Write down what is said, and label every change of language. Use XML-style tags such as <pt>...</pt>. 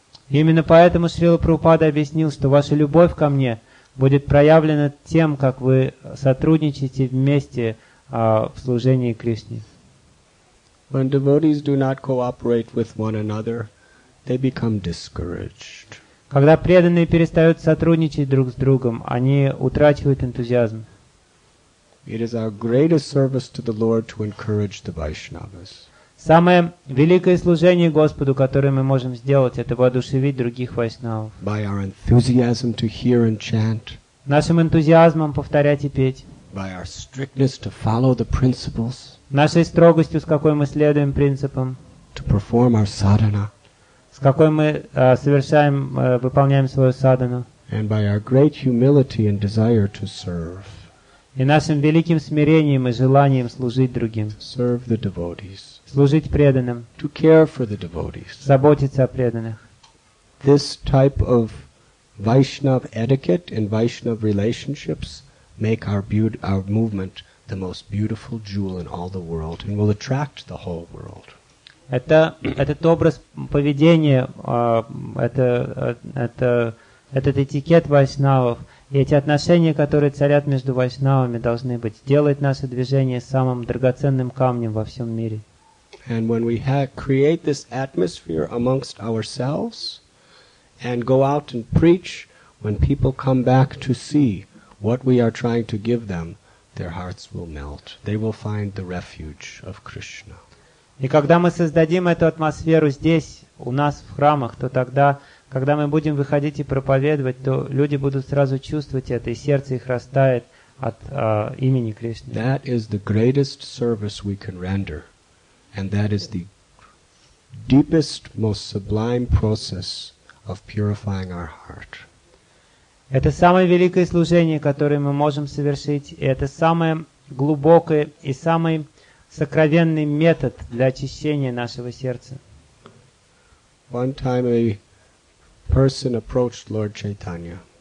<ru>Именно поэтому Шрила Прабхупада объяснил, что ваша любовь ко мне будет проявлена тем, как вы сотрудничаете вместе в служении Кришне.</ru> <en>When devotees do not cooperate with one another, they become discouraged.</en> <ru>Когда преданные перестают сотрудничать друг с другом, они утрачивают энтузиазм.</ru> <en>It is our greatest service to the Lord to encourage the Vaishnavas.</en> <ru>Самое великое служение Господу, которое мы можем сделать, это воодушевить других вайшнавов.</ru> <en>By our enthusiasm to hear and chant.</en> <ru>Нашим энтузиазмом повторять и петь.</ru> <en>By our strictness to follow the principles.</en> <ru>Нашей строгостью, с какой мы следуем принципам.</ru> <en>To perform our sadhana.</en> <ru>С какой мы выполняем свою садхану.</ru> <en>And by our great humility and desire to serve.</en> <ru>И нашим великим смирением и желанием служить другим.</ru> <en>Serve the devotees.</en> <ru>Служить преданным.</ru> <en>To care for the devotees.</en> <ru>Заботиться о преданных.</ru> <en>This type of Vaishnav etiquette and Vaishnav relationships make our movement the most beautiful jewel in all the world and will attract the whole world.</en> <ru>Этот образ поведения, этот этикет вайшнавов и эти отношения, которые царят между вайшнавами, должны быть, делать наше движение самым драгоценным камнем во всем мире.</ru> <en>And when we create this atmosphere amongst ourselves and go out and preach, when people come back to see what we are trying to give them, their hearts will melt. They will find the refuge of Krishna.</en> <ru>И когда мы создадим эту атмосферу здесь, у нас в храмах, то тогда, когда мы будем выходить и проповедовать, то люди будут сразу чувствовать это, и сердце их растает от имени Кришны.</ru> <en>That is the greatest service we can render, and that is the deepest, most sublime process of purifying our heart.</en> <ru>Это самое великое служение, которое мы можем совершить, и это самое глубокое и самое сокровенный метод для очищения нашего сердца.</ru> <en>One time a person approached Lord Chaitanya.</en>